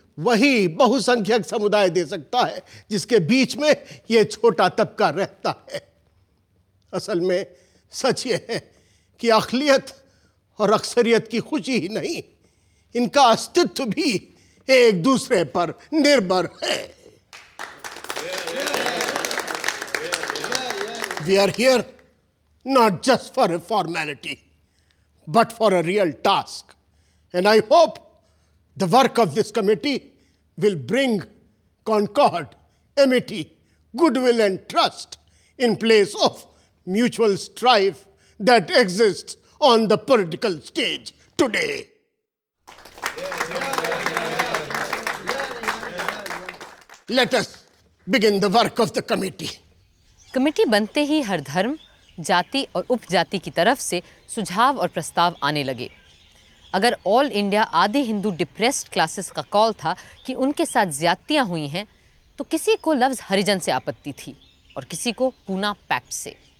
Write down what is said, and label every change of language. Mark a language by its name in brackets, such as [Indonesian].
[Hindi] वही बहुसंख्यक समुदाय दे सकता है जिसके बीच में यह छोटा तबका रहता है। असल में सच यह है कि अखलियत और अक्सरियत की खुशी ही नहीं, इनका अस्तित्व भी एक दूसरे पर निर्भर है। [English] We are here not just for a formality, but for a real task. And I hope the work of this committee will bring concord, amity, goodwill and trust in place of mutual strife that exists on the political stage today. Let us begin the work of the committee. [Hindi] Committee बनते ही हर धर्म, जाति और उपजाति की तरफ से सुझाव और प्रस्ताव आने लगे। अगर ऑल इंडिया आधे हिंदू डिप्रेस्ड क्लासेस का कॉल था कि उनके साथ ज्यादतियाँ हुई हैं, तो किसी को लफ्ज़ हरिजन से आपत्ति थी और किसी को पूना पैक्ट से।